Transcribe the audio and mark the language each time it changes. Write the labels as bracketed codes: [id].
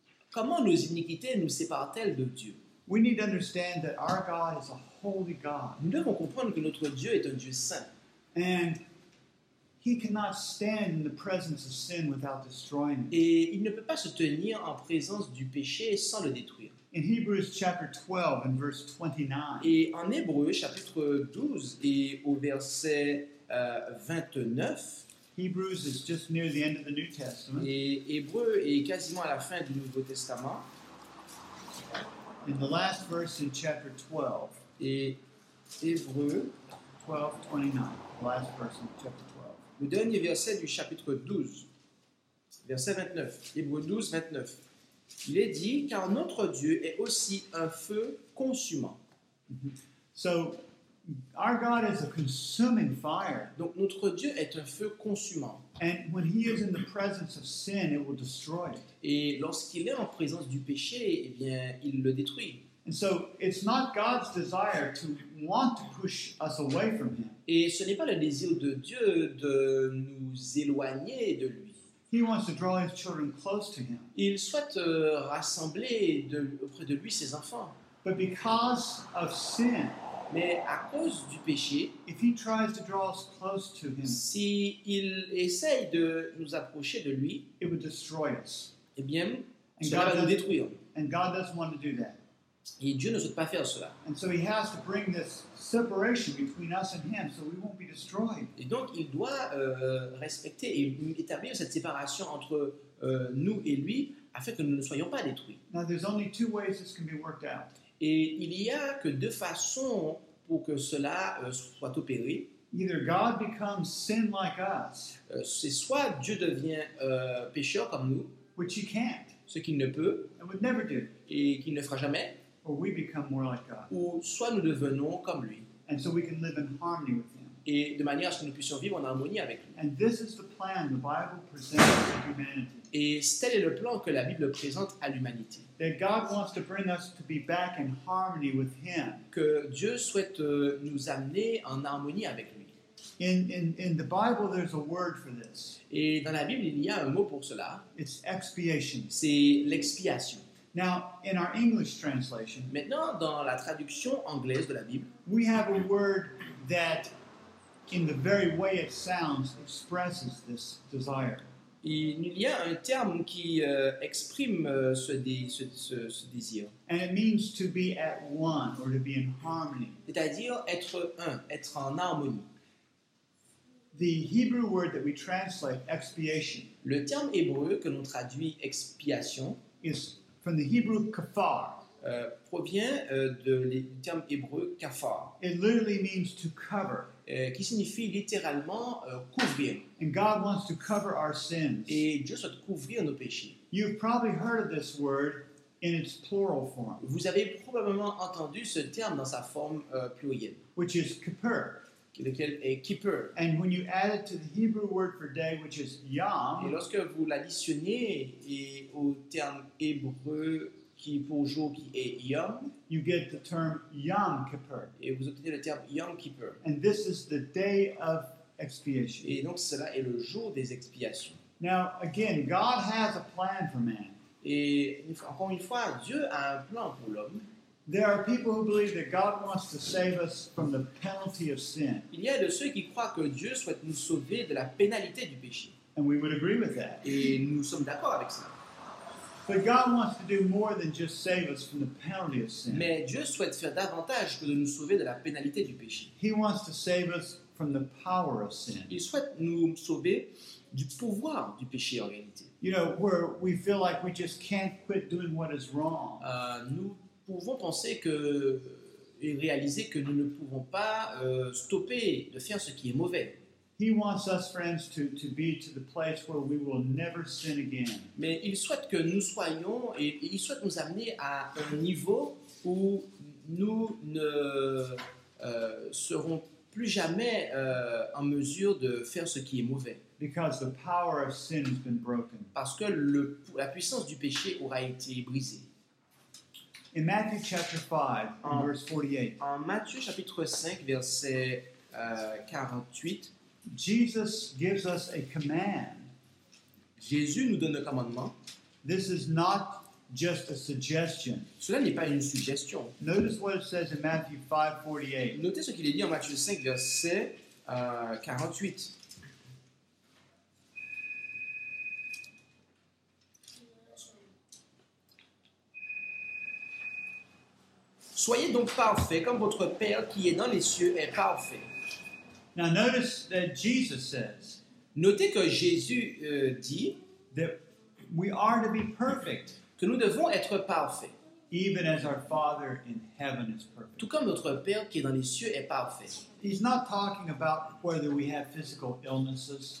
[fr] Comment nos iniquités nous séparent-elles de Dieu? [en] We need to understand that our God is a holy God. [fr] Nous devons comprendre que notre Dieu est un Dieu saint. [en] And He cannot stand in the presence of sin without destroying it. [fr] Et il ne peut pas se tenir en présence du péché sans le détruire. [en] In Hebrews chapter 12 and verse 29. [fr] Et en Hébreux chapitre 12 et au verset 29. [en] Hebrews is just near the end of the New Testament. [fr] Et Hébreux est quasiment à la fin du Nouveau Testament. [en] In the last verse in chapter 12. [fr] Et Hébreux [en] 12, 29. Last verse in chapter 12. [fr] Le dernier verset du chapitre 12, verset 29, Hébreux 12, 29. Il est dit, car notre Dieu est aussi un feu consumant. Mm-hmm. [en] So, our God is a consuming fire. [fr] Donc, notre Dieu est un feu consumant. [en] And when he is in the presence of sin, it will destroy it. [fr] Et lorsqu'il est en présence du péché, eh bien, il le détruit. [en] And so, it's not God's desire to want to push us away from him. [fr] Et ce n'est pas le désir de Dieu de nous éloigner de lui. [en] He wants to draw his children close to him. [fr] Il souhaite rassembler auprès de lui ses enfants. [en] But because of sin, [fr] mais à cause du péché, [en] if he tries to draw us close to him, [fr] si il essaye de nous approcher de lui, [en] it would destroy us. [fr] Eh bien, cela va nous détruire. [en] And God doesn't want to do that. [fr] Et Dieu ne souhaite pas faire cela. [en] And so he has to bring this separation between us and him so we won't be destroyed. [fr] Et donc il doit respecter et établir cette séparation entre nous et lui afin que nous ne soyons pas détruits. [en] Now there's only two ways this can be worked out. [fr] Et il y a que deux façons pour que cela soit opéré. [en] Either God becomes sin like us. [fr] C'est soit Dieu devient pécheur comme nous, [en] which he can't. [fr] Ce qu'il ne peut [en] and would never do. [fr] Et qu'il ne fera jamais. [en] Or we become more like God. [fr] Ou soit nous devenons comme lui. [en] And so we can live in harmony with him. [fr] Et de manière à ce que nous puissions vivre en harmonie avec lui. [en] And this is the plan the Bible presents to humanity. [fr] Et tel est le plan que la Bible présente à l'humanité. [en] That God wants to bring us to be back in harmony with him. [fr] Que Dieu souhaite nous amener en harmonie avec lui. [en] In the Bible there's a word for this. [fr] Et dans la Bible il y a un mot pour cela. [en] It's expiation. [fr] C'est l'expiation. [en] Now, in our English translation, [fr] maintenant dans la traduction anglaise de la Bible, [en] we have a word that, in the very way it sounds, expresses this desire. [fr] Il y a un terme qui exprime ce désir. [en] And it means to be at one or to be in harmony. [fr] C'est-à-dire être un, être en harmonie. [en] The Hebrew word that we translate expiation. [fr] Le terme hébreu que l'on traduit expiation [en] is from the Hebrew kafar. [fr] Provient du terme hébreu kafar. [en] It literally means to cover. [fr] Qui signifie littéralement couvrir. [en] And God wants to cover our sins. [fr] Et Dieu souhaite couvrir nos péchés. [en] You've probably heard of this word in its plural form. [fr] Vous avez probablement entendu ce terme dans sa forme plurielle. [en] Which is kippur. [fr] Lequel est kippur. [en] And when you add it to the Hebrew word for day, which is yom. [fr] Et lorsque vous l'additionnez et au terme hébreu qui pour jour qui est yom, [en] you get the term yom kippur. [fr] Et vous obtenez le terme yom kippur. [en] And this is the day of expiation. [fr] Et donc cela est le jour des expiations. [en] Now again, God has a plan for man. [fr] Et encore une fois, Dieu a un plan pour l'homme. [en] There are people who believe that God wants to save us from the penalty of sin. [fr] Il y a de ceux qui croient que Dieu souhaite nous sauver de la pénalité du péché. [en] And we would agree with that. [fr] Et nous sommes d'accord avec ça. [en] But God wants to do more than just save us from the penalty of sin. [fr] Mais Dieu souhaite faire davantage que de nous sauver de la pénalité du péché. [en] He wants to save us from the power of sin. [fr] Il souhaite nous sauver du pouvoir du péché en réalité. [en] You know, where we feel like we just can't quit doing what is wrong. [fr] Nous pouvons penser que et réaliser que nous ne pouvons pas stopper de faire ce qui est mauvais. [en] He wants us friends to be to the place where we will never sin again. [fr] Mais il souhaite que nous soyons et il souhaite nous amener à un niveau où nous ne serons plus jamais en mesure de faire ce qui est mauvais. [en] Because the power of sin has been broken. [fr] Parce que la puissance du péché aura été brisée. [en] In Matthew chapter 5, verse 48. [fr] En Matthieu chapitre 5, verset 48. [en] Jesus gives us a command. [fr] Jésus nous donne un commandement. [en] This is not just a suggestion. [fr] Cela n'est pas une suggestion. [en] Notice what it says in Matthew 5, 48. [fr] Notez ce qu'il est dit en Matthieu 5, verset 48. Soyez donc parfaits comme votre Père qui est dans les cieux est parfait. [en] Now notice that Jesus says. [fr] Notez que Jésus dit [en] that we are to be perfect. [fr] Que nous devons être parfaits. [en] Even as our Father in heaven is perfect. [fr] Tout comme notre Père qui est dans les cieux est parfait. [en] He's not talking about whether we have physical illnesses.